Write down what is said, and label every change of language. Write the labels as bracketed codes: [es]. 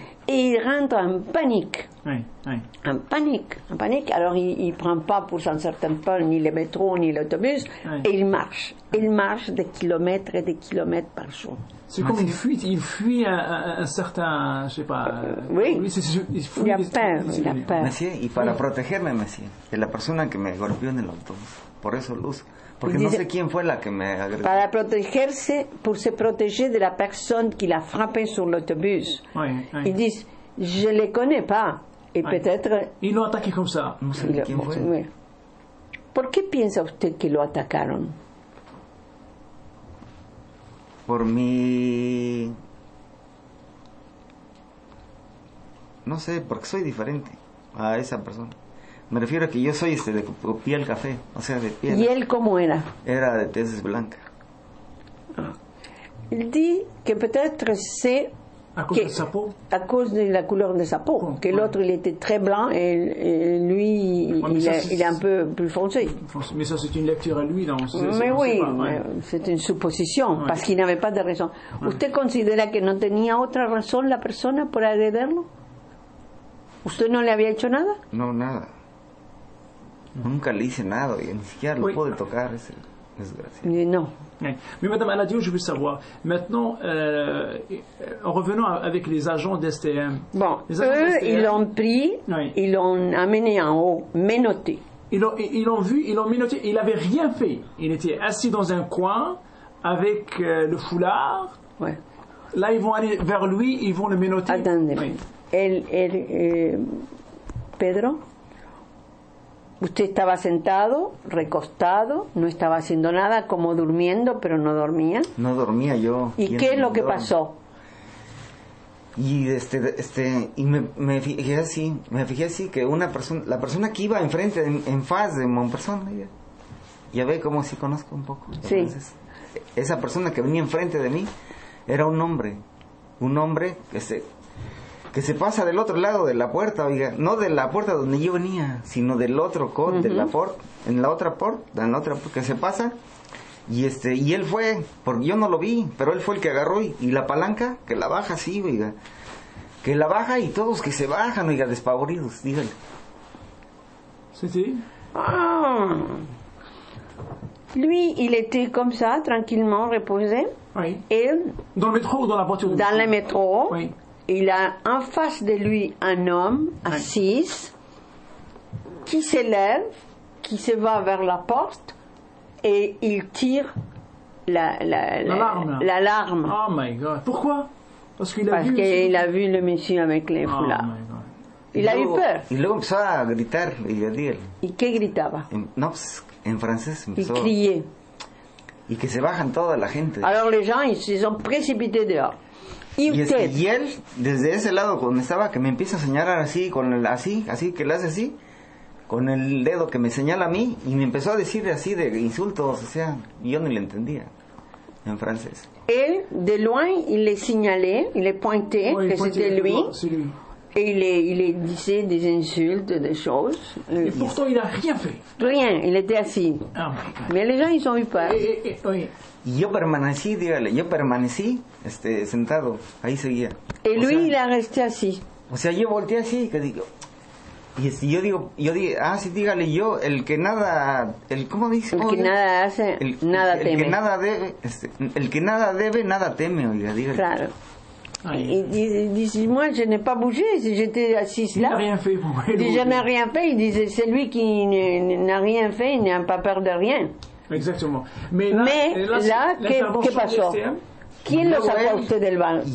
[fr] et il rentre en panique. Oui. En panique, en panique. Alors il prend pas pour un certain temps ni le métro ni l'autobus, oui, et il marche. Il marche des kilomètres et des kilomètres par jour. C'est comme une fuite. Il fuit un certain, je sais pas. Oui. Il fuit. Il a peur. Il a peur. [es] Monsieur, y para protegerme, monsieur, de la persona que me golpeó en el autobús. Por eso lo uso. Porque dice, no sé quién fue la que me agredió. Para protegerse, [fr] pour se protéger de la personne qui l'a frappé sur l'autobus. Oui, oui. Ils disent, je ne les connais pas. Et oui, peut-être. Ils l'ont attaqué comme ça. [es] No sé quién fue. [fr] Oui. Pourquoi pensez-vous qu'ils l'ont attaqué? [es] Por mi. No sé, porque soy diferente a esa persona. Me refiero a que yo soy de piel café, o sea, de piel. ¿Y él cómo era? Era de tez blanca. Él dice que [fr] peut-être c'est. [es] ¿A causa de su peau? A causa de [fr] la couleur de su peau. [es] Oh, que el otro, él [fr] était très blanc, y lui, il est un peu plus foncé. Mais ça, c'est une lecture à lui, donc. Mais oui, c'est une supposition, ouais, parce qu'il n'avait pas de raison. Ouais. [es] ¿Usted considera que no tenía otra razón la persona por agredirlo? ¿Usted no le había hecho nada? No, nada. Nunca le hice nada, y ni siquiera lo puedo tocar, es desgraciado. No. [fr] Oui. Mais madame Aladio, je veux savoir, maintenant, en revenant avec les agents d'STM. Bon, les agents eux, d'STM, ils l'ont pris, oui, ils l'ont amené en haut, menotté. Ils l'ont menotté, il n'avait rien fait. Il était assis dans un coin avec le foulard. Ouais. Là, ils vont aller vers lui, ils vont le menotter. Attendez. Oui. [es] Pedro, usted estaba sentado, recostado, no estaba haciendo nada, como durmiendo, pero no dormía. No dormía yo. ¿Y qué es lo que pasó? Y me fijé así que una persona, la persona que iba enfrente, en faz de mon persona, ya ve como si conozco un poco. Sí. Entonces, esa persona que venía enfrente de mí era un hombre que se pasa del otro lado de la puerta, oiga, no de la puerta donde yo venía, sino del otro de la puerta, en la otra que se pasa, y él fue, porque yo no lo vi, pero él fue el que agarró, y la palanca, que la baja así, oiga, que la baja, y todos que se bajan, oiga, despavoridos, dígale. Sí, sí. Ah. [fr] Lui, il était comme ça, tranquillement, reposé. Oui. Et dans le métro ou dans la voiture? Dans le métro. Oui. Il a en face de lui un homme assis qui s'élève, qui se va vers la porte et il tire l'alarme. [en] Oh my God. [fr] Pourquoi? Parce qu'il a vu le monsieur avec les foulards. [en] Oh my God. [fr] Il a eu peur. Il a commencé à gritar et à dire. Et qu'est-ce qu'il gritait? Non, en français. Il criait. [es] Et que se bajan toda la gente. [fr] Alors les gens, ils se sont précipités dehors. [es] Y él, desde ese lado donde estaba, que me empieza a señalar así, con el así, que le hace así, con el dedo que me señala a mí, y me empezó a decir así de insultos, o sea, yo ni le entendía, en francés. [fr] Él, de loin, il le señalé, il le pointé, oh, que pointé, c'était lui, et il le disait des insultes, des choses. Et pourtant, il n'a rien fait. Rien, il était assis. [en] Oh my God. [fr] Mais les gens, ils ont eu peur. [es] Yo permanecí, sentado, ahí seguía. [fr] Y lui, il a resté así. [es] O sea, yo volteé así, que digo. Y yo dije, ah, sí, dígale, yo, el que nada. ¿Cómo dice? El que nada hace, nada teme. El que nada debe, nada teme, oiga, dígale. Claro. [fr] Il dit, moi je n'ai pas bougé, j'étais assise là. Il n'a rien fait pour moi. Il dit, je n'ai rien fait. Il disait, c'est lui qui n'a rien fait, il n'a pas peur de rien. Exactement. Mais là, qu'est-ce qui passe? [es] Qui le sapote del banco?